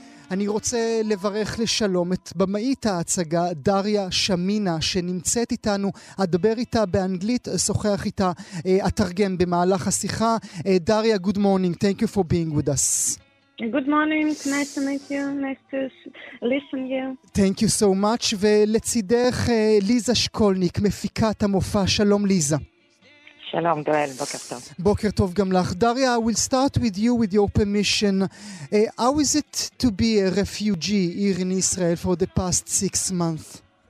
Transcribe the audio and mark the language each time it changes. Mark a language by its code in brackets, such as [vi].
[he] אני רוצה לברך לשלום את במאית ההצגה, דריה שמינה, שנמצאת איתנו. אדבר איתה באנגלית, שוחח איתה, אתרגם במהלך השיחה. [en] דריה, good morning. Thank you for being with us. Good morning, nice to meet you, listen to you. Thank you so much. [he] ולצידך, ליזה שקולניק, מפיקת המופע. שלום, ליזה. Shalom, Goel, boker tov. Boker tov gam lach. [en] Daria, I will start with your permission. How is it to be a refugee here in Israel for the past 6 months?